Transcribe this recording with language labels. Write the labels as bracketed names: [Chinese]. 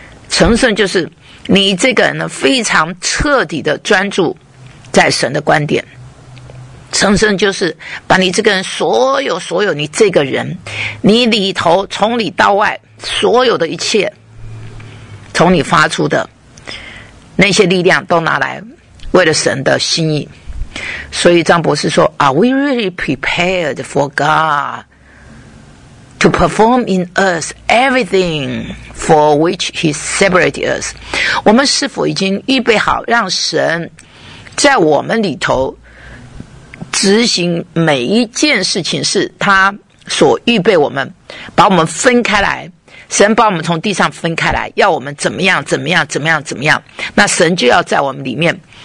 [Chinese] 成圣就是你这个人呢非常彻底的专注在神的观点，成圣就是把你这个人所有你这个人你里头从里到外所有的一切从你发出的那些力量都拿来为了神的心意。所以张博士说 [English] Are we really prepared for God to perform in us everything for which he separated us? [Chinese] 我们是否已经预备好让神在我们里头执行每一件事情是他所预备我们把我们分开来，神把我们从地上分开来要我们怎么样怎么样怎么样怎么样，那神就要在我们里面